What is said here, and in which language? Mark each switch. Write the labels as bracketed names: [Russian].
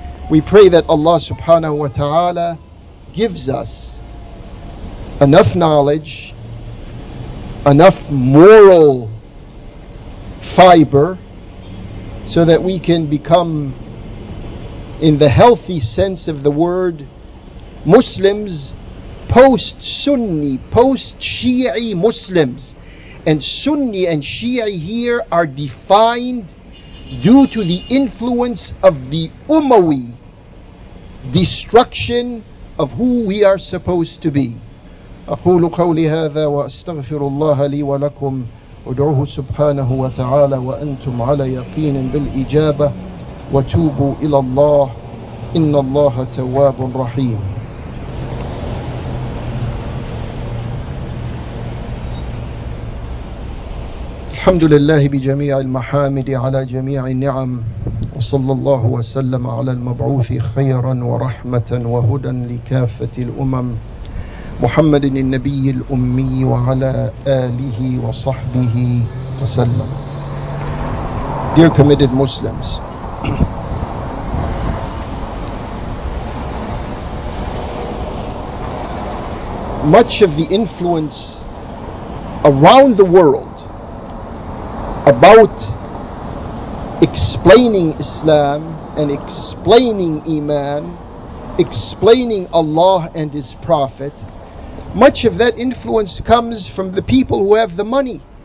[English] We pray that Allah subhanahu wa ta'ala gives us enough knowledge, enough moral fiber, so that we can become, in the healthy sense of the word, Muslims, post-Sunni, post-Shi'i Muslims. And Sunni and Shi'i here are defined due to the influence of the Umayyad destruction of who we are supposed to be. [Arabic] أقول قولي هذا وأستغفر الله لي ولكم ودعوه سبحانه وتعالى وأنتم على يقين بالإجابة وتوبوا إلى الله إن الله تواب رحيم. الحمد لله بجميع المحامد على جميع النعم وصلى الله وسلم على المبعوث خيرا ورحمة وهدى لكافة الأمم محمد النبي الأمي وعلى آله وصحبه وسلم. [English] Dear committed Muslims, much of the influence around the world about explaining Islam and explaining Iman, explaining Allah and His Prophet, much of that influence comes from the people who have the money.